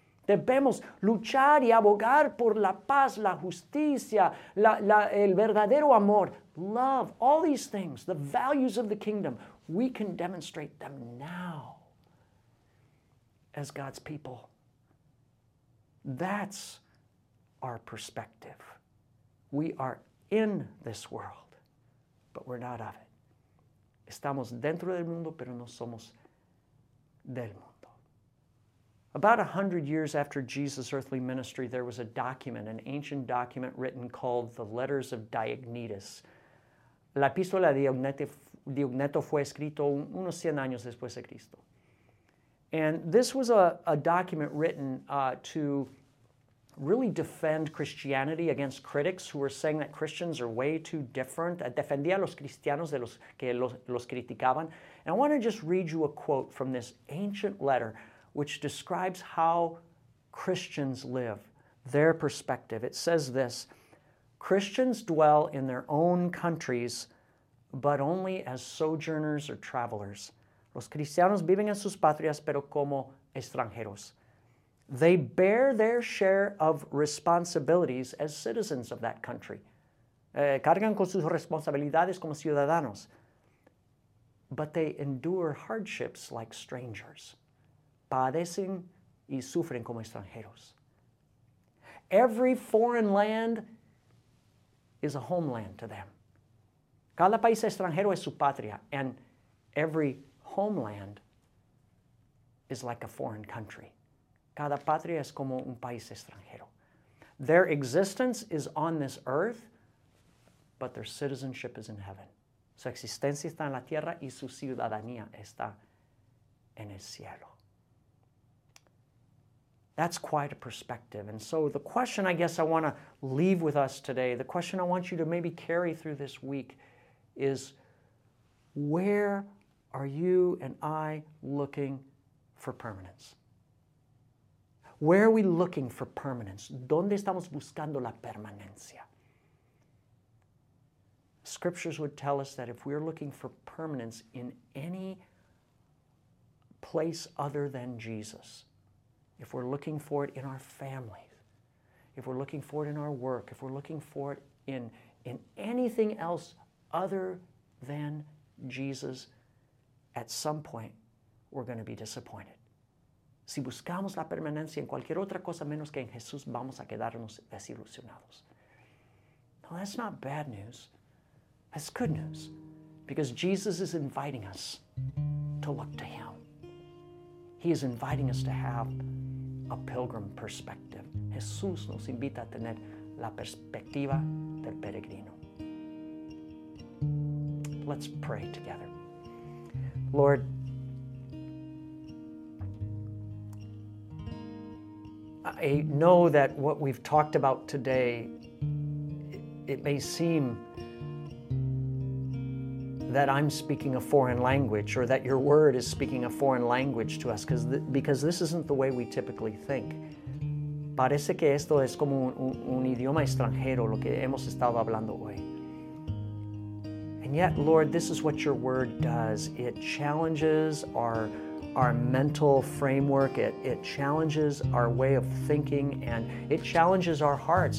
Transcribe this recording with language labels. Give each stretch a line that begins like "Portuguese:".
Spanish: Debemos luchar y abogar por la paz, la justicia, el verdadero amor,
English: love, all these things, the values of the kingdom. We can demonstrate them now as God's people. That's our perspective. We are in this world, but we're not of it.
Spanish: Estamos dentro del mundo, pero no somos del mundo.
English: About 100 years after Jesus' earthly ministry, there was a document, an ancient document written called the Letters of Diognetus.
Spanish: La epístola de Diogneto fue escrito unos 100 años después de Cristo.
English: And this was a document written to really defend Christianity against critics who were saying that Christians are way too different.
Spanish: Defendía a los cristianos de los que los criticaban.
English: And I want to just read you a quote from this ancient letter which describes how Christians live, their perspective. It says this: Christians dwell in their own countries, but only as sojourners or travelers.
Spanish: Los cristianos viven en sus patrias, pero como extranjeros.
English: They bear their share of responsibilities as citizens of that country.
Spanish: Cargan con sus responsabilidades como ciudadanos.
English: But they endure hardships like strangers.
Spanish: Padecen y sufren como extranjeros.
English: Every foreign land is a homeland to them.
Spanish: Cada país extranjero es su patria.
English: And every homeland is like a foreign country.
Spanish: Cada patria es como un país extranjero.
English: Their existence is on this earth, but their citizenship is in heaven.
Spanish: Su existencia está en la tierra y su ciudadanía está en el cielo.
English: That's quite a perspective. And so the question I guess I want to leave with us today, the question I want you to maybe carry through this week is, where are you and I looking for permanence? Where are we looking for permanence?
Spanish: ¿Dónde estamos buscando la permanencia?
English: Scriptures would tell us that if we're looking for permanence in any place other than Jesus, if we're looking for it in our family, if we're looking for it in our work, if we're looking for it in anything else other than Jesus, at some point, we're going to be disappointed.
Spanish: Si buscamos la permanencia en cualquier otra cosa menos que en Jesús, vamos a quedarnos desilusionados.
English: Now, that's not bad news. That's good news. Because Jesus is inviting us to look to Him. He is inviting us to have a pilgrim perspective.
Spanish: Jesús nos invita a tener la perspectiva del peregrino.
English: Let's pray together. Lord, I know that what we've talked about today, it may seem that I'm speaking a foreign language or that your word is speaking a foreign language to us because this isn't the way we typically think.
Spanish: Parece que esto es como un idioma extranjero lo que hemos estado hablando hoy.
English: And yet, Lord, this is what your word does. It challenges our mental framework. It challenges our way of thinking and it challenges our hearts.